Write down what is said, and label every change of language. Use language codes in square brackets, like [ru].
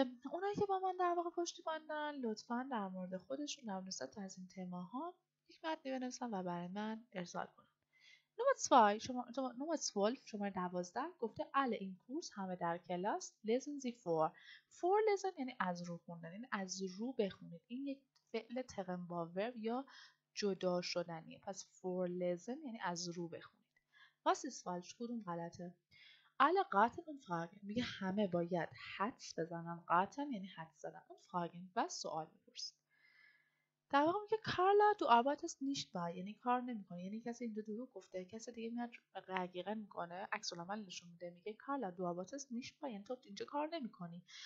[fa] اونایی که با من در واقع پشتیبانن لطفاً در مورد خودشون در نسبت از این تما ها یک متن بنویسن و برای من ارسال کنن. [de] Nummer 12, Nummer 12, [fa] گفته [de] alle in Kurs, [fa] همه در کلاس، [de] lesen Sie vor. [fa] Vorlesen یعنی از رو خوندن، یعنی از رو بخونید. این یک فعل ترم با ورب یا جدا شدنیه. پس vorlesen یعنی از رو بخونید. [de] Was ist falsch? [fa] کدوم غلطه؟ [de] alle raten und fragen. [fa] میگه همه باید حدس بزنن. Raten یعنی حدس زدن. [de] Und fragen. [fa] و سوال می‌پرسن. در واقع میگه کارلا دو عبادتست نیشت با، یعنی کار نمیکنه، یعنی کسی این دروغ گفته، کسی دیگه میاد رقیقه میکنه، عکس العمل نشون میده، میگه کارلا دو عبادتست نیشت با، یعنی تو اینجا کار نمیکنی.